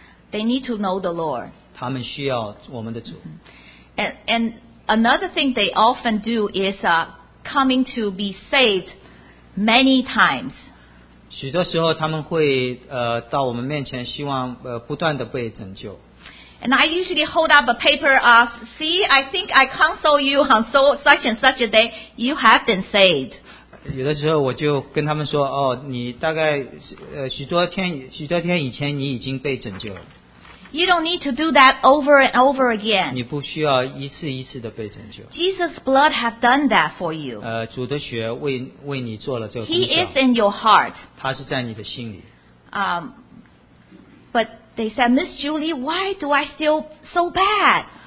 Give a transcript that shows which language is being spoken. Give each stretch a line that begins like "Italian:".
English: They need to know the Lord.
Chinese: 他们需要我们的主。
English: And another thing they often do is coming to be saved many times.
Chinese: 许多时候他们会到我们面前希望不断地被拯救。
English: And I usually hold up a paper, see, I think I counsel you on so such and such a day, you have been saved.
Chinese: 有的时候我就跟他们说，你大概许多天以前你已经被拯救了。
English: You don't need to do that over and over again.
Chinese: 你不需要一次一次地被拯救。
English: Jesus' blood has done that for you.
Chinese: 主的血为你做了这个功效。
English: He is in your heart.
Chinese: 他是在你的心里。
English: But they said, Miss Julie, why do I feel so bad?